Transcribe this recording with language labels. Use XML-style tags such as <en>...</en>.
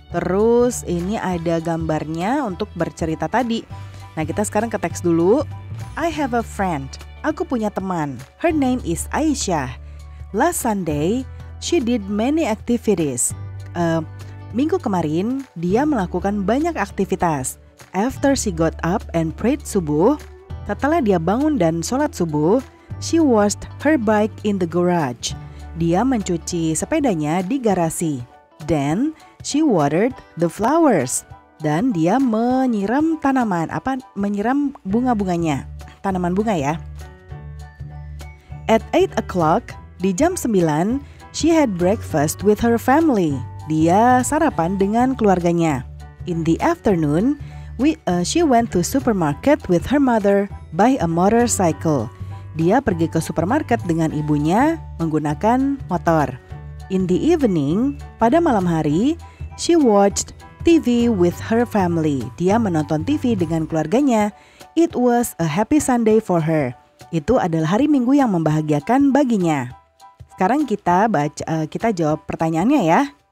<id>Terus ini ada gambarnya untuk bercerita tadi. Nah, kita sekarang ke teks dulu.</id> <en>I have a friend.</en> <id>Aku punya teman.</id> <en>Her name is Aisyah. Last Sunday, she did many activities.</en> <id>Minggu kemarin, dia melakukan banyak aktivitas.</id> <en>After she got up and prayed subuh,</en> <id>setelah dia bangun dan sholat subuh,</id> <en>she washed her bike in the garage.</en> <id>Dia mencuci sepedanya di garasi.</id> <en>Then, she watered the flowers.</en> <id>Dan dia menyiram tanaman, menyiram bunga-bunganya. Tanaman bunga ya.</id> <en>At 8 o'clock,</en> <id>di jam 9,</id> <en>she had breakfast with her family.</en> <id>Dia sarapan dengan keluarganya.</id> <en>In the afternoon, she went to supermarket with her mother by a motorcycle.</en> <id>Dia pergi ke supermarket dengan ibunya menggunakan motor.</id> <en>In the evening,</en> <id>pada malam hari,</id> <en>she watched TV with her family.</en> <id>Dia menonton TV dengan keluarganya.</id> <en>It was a happy Sunday for her.</en> <id>Itu adalah hari Minggu yang membahagiakan baginya. Sekarang kita jawab pertanyaannya ya.</id>